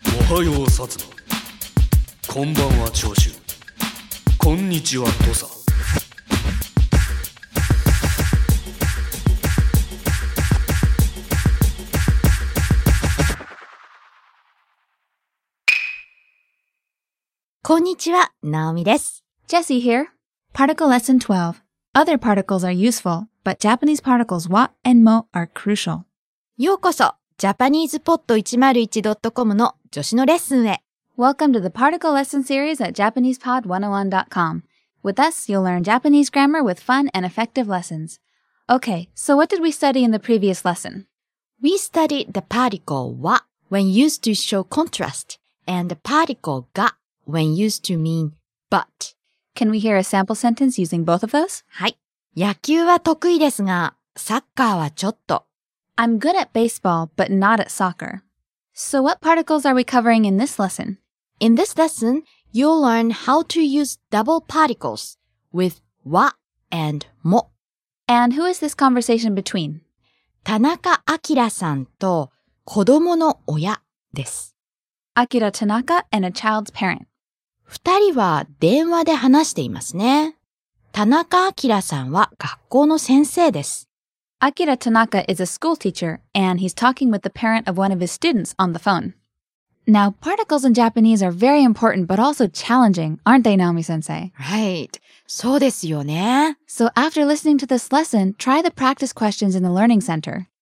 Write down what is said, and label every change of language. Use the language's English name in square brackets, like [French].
[Japanese] おはよう薩摩、こんばんは長州、こんにちは土佐。こんにちは、ナオミです。 [English] Jesse here. Particle Lesson 12. Other particles are useful, but Japanese particles wa and mo are crucial. [Japanese] ようこそ、JapanesePod101.com の女子のレッスンへ。 [English] Welcome to the Particle Lesson Series at JapanesePod101.com. With us, you'll learn Japanese grammar with fun and effective lessons. Okay, so what did we study in the previous lesson? We studied the particle wa when used to show contrast, and the particle ga when used to mean but. Can we hear a sample sentence using both of those? [Japanese] はい。野球は得意ですが、サッカーはちょっと。 [English] I'm good at baseball, but not at soccer. So what particles are we covering in this lesson? In this lesson, you'll learn how to use double particles with wa and mo. And who is this conversation between? [Japanese] 田中明さんと子供の親です。 [English] Akira Tanaka and a child's parent. [Japanese] 二人は電話で話していますね。田中明さんは学校の先生です。 [English] Akira Tanaka is a school teacher and he's talking with the parent of one of his students on the phone. Now, particles in Japanese are very important but also challenging, aren't they, Naomi-sensei? Right. [Japanese] そうですよね。 [English] So after listening to this lesson, try the practice questions in the learning center.